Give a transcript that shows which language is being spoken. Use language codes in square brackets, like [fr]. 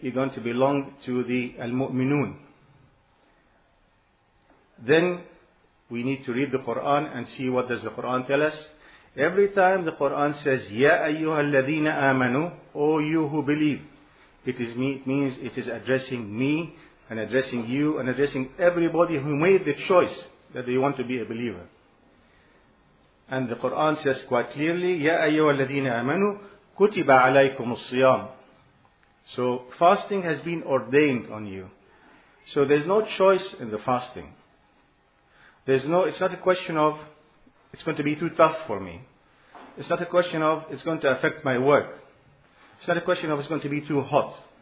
[en] you're going to belong to the Al-Mu'minun, then we need to read the Quran and see what does the Quran tell us. Every time the Quran says, Ya [ar] أَيُّهَا الَّذِينَ آمَنُوا, [en] O you who believe, it is me, it means it is addressing me and addressing you and addressing everybody who made the choice that they want to be a believer. [ar] And the Quran says quite clearly, يَا أَيُّوَا الَّذِينَ آمَنُوا كُتِبَ عَلَيْكُمُ الصِّيَامُ. [en] So fasting has been ordained on you. So there's no choice in the fasting. It's not a question of, it's going to be too tough for me. It's not a question of, it's going to affect my work. It's not a question of, it's going to be too hot.